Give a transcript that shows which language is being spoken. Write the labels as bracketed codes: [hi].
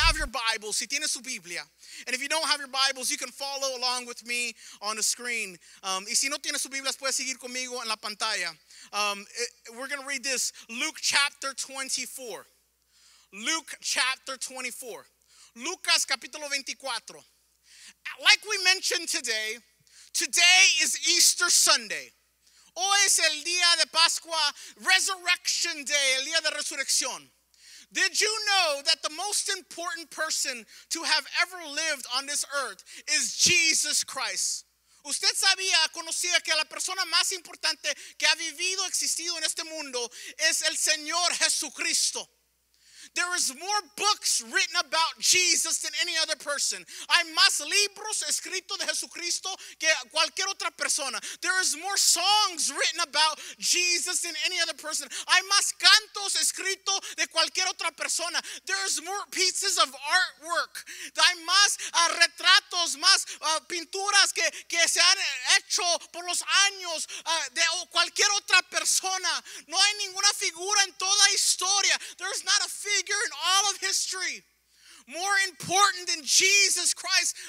[en] Bible, [es] si tiene su Biblia, [en] and if you don't have your Bibles, you can follow along with me on the screen. [es] Y si no tiene su Biblia, puede seguir conmigo en la pantalla. [en] We're going to read this, Luke chapter 24. Luke chapter 24. [es] Lucas capítulo 24. [en] Like we mentioned today, today is Easter Sunday. [es] Hoy es el día de Pascua, Resurrection Day, el día de resurrección. [en] Did you know that the most important person to have ever lived on this earth is Jesus Christ? [es] ¿Usted sabía, conocía que la persona más importante que ha vivido, existido en este mundo es el Señor Jesucristo? [en] There is more books written about Jesus than any other person. [es] Hay más libros escritos de Jesucristo que cualquier otra persona. [en] There is more songs written about Jesus than any other person. [es] Hay más cantos escritos de cualquier otra persona. [en] There is more pieces of artwork. [es] Hay más retratos, más pinturas que se han hecho por los años de cualquier otra persona. No hay ninguna figura en toda historia. [en] There is not a figure in all of history more important than Jesus Christ.